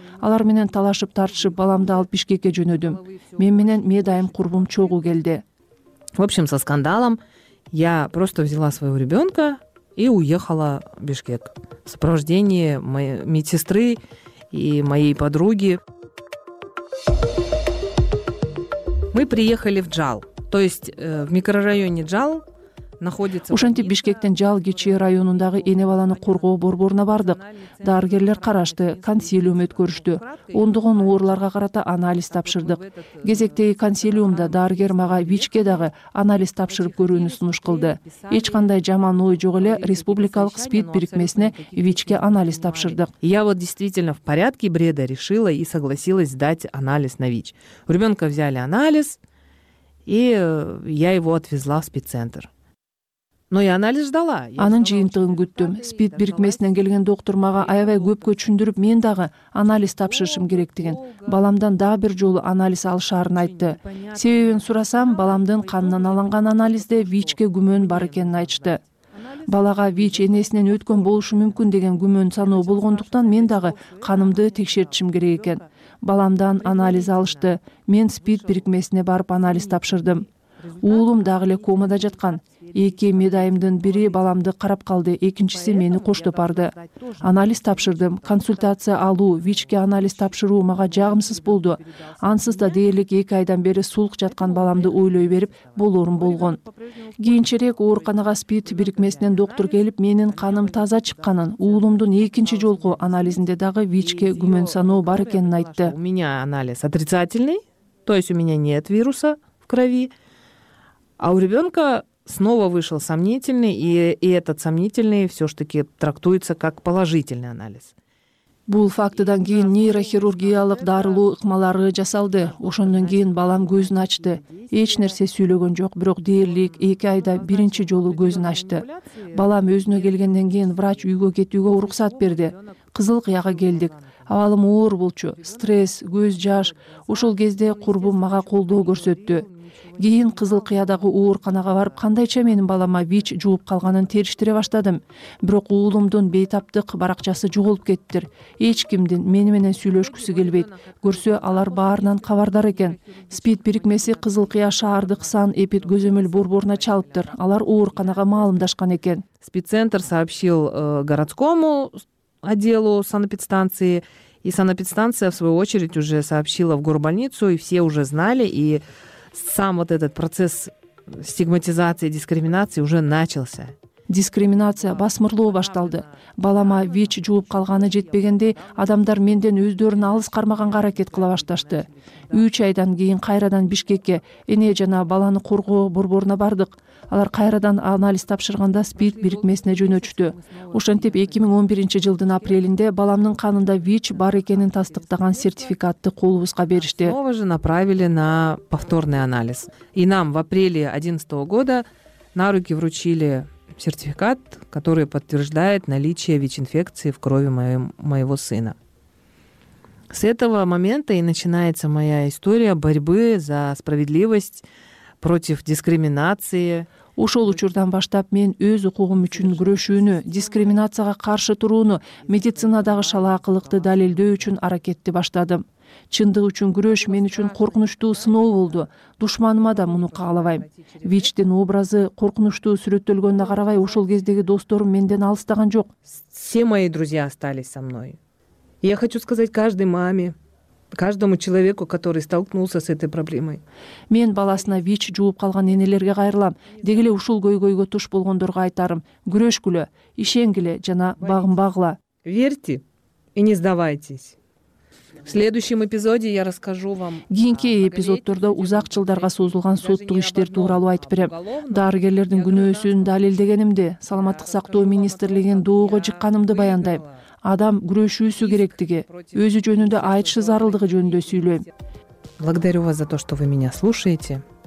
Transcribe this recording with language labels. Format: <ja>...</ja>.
<ky>Алар менен талашып тартышып баламды алып Бишкекке жөнөдүм. Мен менен медайым курбум чогуу келди.</ky> <ru>В общем, со скандалом я просто взяла своего ребенка и уехала в Бишкек в сопровождении моей медсестры и моей подруги. Мы приехали в Джал, то есть в микрорайоне Джал.</ru> <ky>Ушентип Бишкектен Жал кичүү районундагы эне баланы коргоо борборуна бардык. Дарыгерлер карашты, консилиум өткөрүштү. Ондогон ооруларга карата анализ тапшырдык. Кезектеги консилиумда дарыгер мага ВИЧ-ке дагы анализ тапшырып көрүүнү сунуш кылды. Эч кандай жаман ой жок эле республикалык СПИД бирикмесине ВИЧ-ке анализ тапшырдык.</ky> <ru>Я вот действительно в порядке бреда решила и согласилась сдать анализ на ВИЧ. У ребенка взяли анализ, и я его отвезла в спеццентр. Но я анализ ждала.</ru> <ky>Анын жыйынтыгын күттүм. СПИД бирикмесинен келген доктор мага аябай көпкө түшүндүрүп, мен дагы анализ тапшырышым керек деген. Баламдан дагы бир жолу анализ алышаарын айтты. Себебин сурасам, баламдын канынан алынган анализде ВИЧ-ке күмөн бар экенин айтышты. Балага ВИЧ энесинен өткөн болушу мүмкүн деген күмөн саноо болгондуктан, мен дагы канымды текшертишим керек экен. Баламдан анализ алышты. Мен СПИД бирикмесине барып анализ тапшырдым. Уулум дагы эле комада жаткан. 2 медайымдын бири баламды карап калды, экинчиси мени коштоп барды. Анализ тапшырдым. Консультация алуу, ВИЧ-ке анализ тапшыруу мага жагымсыз болду. Ансыз да дээрлик 2 айдан бери суулук жаткан баламды ойлой берип, болорум болгон. Кийинчерээк ооруканага СПИД бирикмесинен доктор келип, менин каным таза чыкканын, уулумдун 2-жолку анализинде дагы ВИЧ-ке күмөн саноо бар экенин айтты.</ky> <ru>У меня анализ отрицательный, то есть у меня нет вируса в крови. А у ребенка снова вышел сомнительный, и этот сомнительный все-таки трактуется как положительный анализ.</ru> <ky>Бул фактыдан кийин нейрохирургиялык дарылуу ыкмалары жасалды. Ошондон кийин балам көзүн ачты. Эч нерсе сүйлөгөн жок, бирок дээрлик 2 айда 1-жолу көзүн ачты. Балам өзүнө келгенден кийин врач үйгө кетүүгө уруксат берди. Кызыл кыяга келдик. Абалым оор болчу. Стресс, көз жаш. Ошол кезде курбум мага колдоо көрсөттү. Кийин Кызыл Кыядагы ооруканага барып, кандайча менин балама ВИЧ жугуп калганын териштире баштадым. Бирок уулумдун бейтаптык баракчасы жоголуп кеттир. Эч кимдин мени менен сүйлөшкүсү келбейт. Көрсө алар баарынан кабардар экен. СПИД бирикмеси Кызыл Кыя шаардык сан эпид көзөмөл борборуна чалыптыр. Алар ооруканага маалымдашкан экен.</ky> <ru>СПИД-центр сообщил городскому отделу санэпидстанции. И санэпидстанция, в свою очередь, уже сообщила в горбольницу, и все уже знали, и сам вот этот процесс стигматизации, дискриминации уже начался.</ru> <ky>Дискриминация басмырлоо башталды. Балама ВИЧ жугуп калганы жетпегенде, адамдар менден өздөрүн алыс кармаганга аракет кыла башташты. 3 айдан кийин кайрадан Бишкекке эне жана баланы коргоо борборуна бардык. Алар кайрадан анализ тапшырганда СПИД бирикмесине жөнөтүштү. Ошентип 2011 жылдын апрелинде баламдын канында ВИЧ бар экенин тастыктаган сертификатты колубузга беришти.</ky> <ru>Снова же направили на повторный анализ. И нам в апреле 2011 года на руки вручили сертификат, который подтверждает наличие ВИЧ-инфекции в крови моего сына. С этого момента и начинается моя история борьбы за справедливость против дискриминации.</ru> <ky>Ошол учурдан баштап мен өз укугум үчүн күрөшүүнү, дискриминацияга каршы турууну, медицинадагы шалаакылыкты далилдөө үчүн аракетти баштадым. Чындык үчүн күрөш мен үчүн коркунучтуу сыноо болду. Душманыма да муну каалабайм. Вичтин образы коркунучтуу сүрөттөлгөнүнө карабай, ошол кездеги досторум менден алыстаган жок.</ky> <ru>Все мои друзья остались со мной. Я хочу сказать каждой маме, каждому человеку, который столкнулся с этой проблемой.</ru> <ky>Мен баласына вич жууп калган энелерге кайрылам. Деги эле ушул көйгөйгө туш болгондорго айтарым. Күрөшкүлө, ишенгиле жана багым багыла.</ky> <ru>Верьте и не сдавайтесь. В следующем эпизоде я расскажу вам.</ru> <ky>Кийинки эпизоддордо узак жылдарга созулган соттук иштер тууралуу айтып берем. Дарыгерлердин күнөөсүн далилдегенимди, саламаттык сактоо министрлигинин доого чыкканымды баяндайм. Адам күрөшүүсү керектиги, өзү жөнүндө айтышы зарылдыгы жөнүндө сүйлөйм.</ky> <ru>Благодарю вас за то, что вы меня слушаете.</ru>